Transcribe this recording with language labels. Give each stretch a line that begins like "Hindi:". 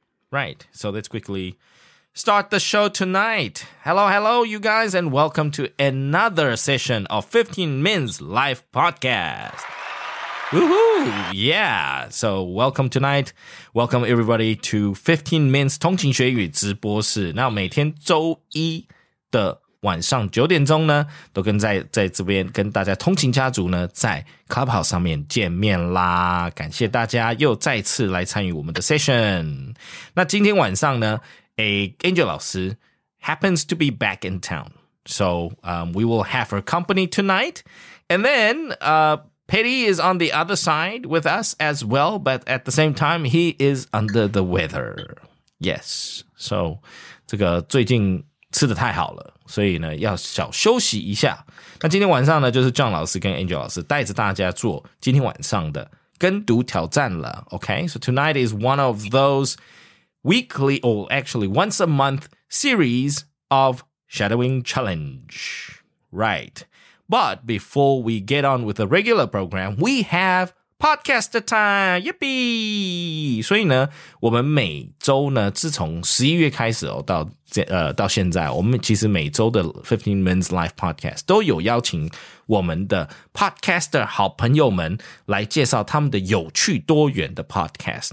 English: Right, so let's quickly start the show tonight. Hello, hello, you guys, and welcome to another session of 15 Men's Life Podcast. Woohoo! Yeah, so welcome tonight. Welcome everybody to 15 Men's
Chinese: 通勤学语直播室。那每天周一的晚上九点钟呢，都跟在这边跟大家通勤家族呢，在 Clubhouse 上面见面啦。感谢大家又再次来参与我们的 session。那今天晚上呢，Angel 老师
English: happens to be back in town. So, we will have her company tonight. And then, Petty is on the other side with us as well, but at the same time, he is under the weather. Yes.
Chinese: So, 这个最近吃得太好了。所以呢要小休息一下。那今天晚上呢就是 John 老师跟 Angel 老师带着大家做今天晚上的跟读挑战了。
English: Okay, so tonight is one of those weekly, or actually once a month series of shadowing challenge. Right. But before we get on with the regular program, we have podcast time. Yippee!
Chinese: 所以呢我们每周呢自从11月开始哦到现在，我们其实每周的15 Men's Life Podcast 都有邀请我们的 podcaster 好朋友们来介绍他们的有趣多元的 podcast。